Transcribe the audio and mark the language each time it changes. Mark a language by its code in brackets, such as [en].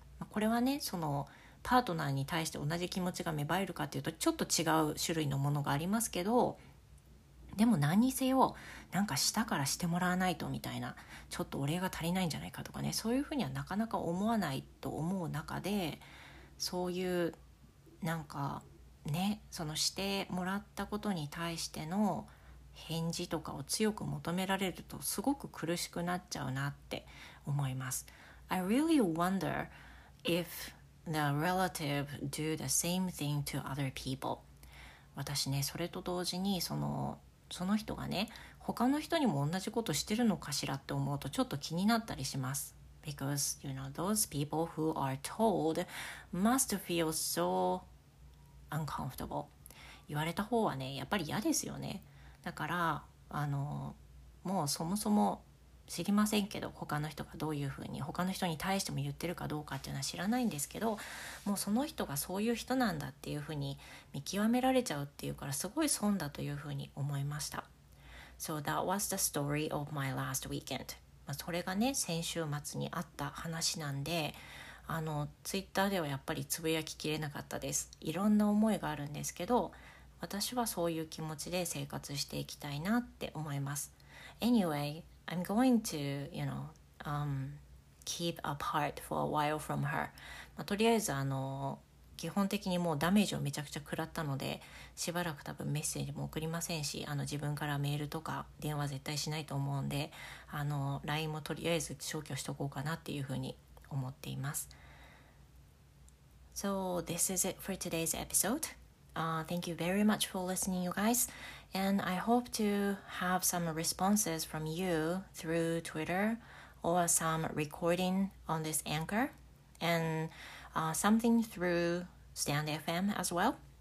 [ja] これはね、そのパートナーに対して同じ気持ちが芽生えるかっていうとちょっと違う種類のものがありますけど、でも何にせよなんかしたからしてもらわないとみたいな、ちょっとお礼が足りないんじゃないかとかね、そういうふうにはなかなか思わないと思う中で、そういうなんかね、そのしてもらったことに対しての返事とかを強く求められるとすごく苦しくなっちゃうなって思います。 [en] I really wonder if the relative do the same thing to other people。 [ja] 私ね、それと同時にその人がね、他の人にも同じことしてるのかしらって思うとちょっと気になったりします。 [en] Because you know those people who are told must feel so uncomfortable。 [ja] 言われた方はねやっぱり嫌ですよね。だからもうそもそも知りませんけど、他の人がどういうふうに他の人に対しても言ってるかどうかっていうのは知らないんですけど、もうその人がそういう人なんだっていうふうに見極められちゃうっていうからすごい損だというふうに思いました。 [en] So that was the story of my last weekend、 [ja] まあ、それがね先週末にあった話なんで、ツイッターではやっぱりつぶやききれなかったです。いろんな思いがあるんですけど、私はそういう気持ちで生活していきたいなって思います。 [en] AnywayI'm going to, you know, keep apart for a while from her. [ja] まあ、とりあえず基本的にもうダメージをめちゃくちゃ食らったので、しばらく多分メッセージも送りませんし、自分からメールとか電話絶対しないと思うんで、LINE もとりあえず消去しとこうかなっていうふうに思っています。 [en] So this is it for today's episode. Thank you very much for listening, you guys. And I hope to have some responses from you through Twitter or some recording on this anchor and something through Stand FM as well.